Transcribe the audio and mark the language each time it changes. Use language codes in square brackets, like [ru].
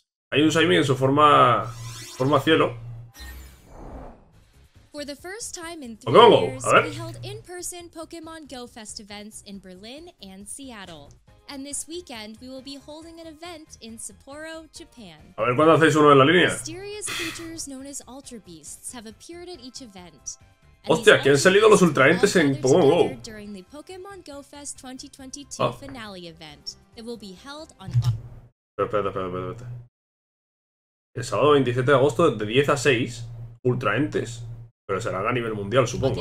[es] Hay un Shining en su forma cielo. [en] For the first time in 3 years, we held in-person Pokémon Go Fest events in Berlin and Seattle. And this weekend, we will be holding an event in Sapporo, Japan. [es] A ver, ¿cuándo hacéis uno en la línea? [en] Mysterious creatures known as Ultra Beasts have appeared at each event. [es] Hostia, ¿quién ha salido los ultraentes en Pokémon Go? [en] During the Pokémon Go Fest 2022 finale event, it will be held on... [es] Espera. El sábado 27 de agosto, de 10 a 6, ultraentes. Pero será a nivel mundial, supongo.